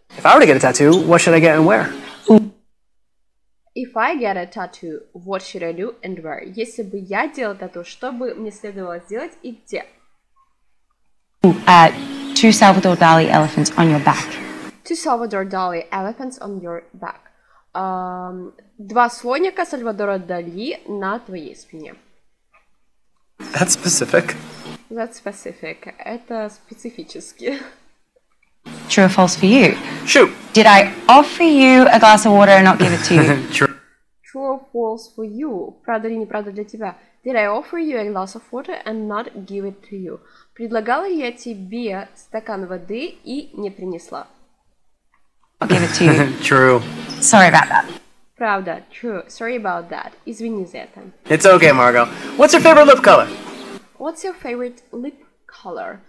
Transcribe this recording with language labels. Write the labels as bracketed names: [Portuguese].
[English] If I were to get a tattoo, what should I get and where? I get a tattoo, what should I do and where? [Russian] Если бы я делал тату, что бы мне следовало сделать и где? [English] Two Salvador Dali elephants on your back. Two Salvador Dali elephants on your back. [Russian] Два слоника Сальвадора Дали на твоей спине. [English] That's specific. That's specific. [Russian] Это специфически. [English] True or false for you? True. Did I offer you a glass of water and not give it to you? True. True or false for you? [Russian] Правда или неправда для тебя? [English] Did I offer you a glass of water and not give it to you? [Russian] Предлагала я тебе стакан воды и не принесла. [English] I'll give it to you. True. Sorry about that. [Russian] Правда. [English] True. Sorry about that. [Russian] Извини за это. [English] It's okay, Margot. What's your favorite lip color? What's your favorite lip color?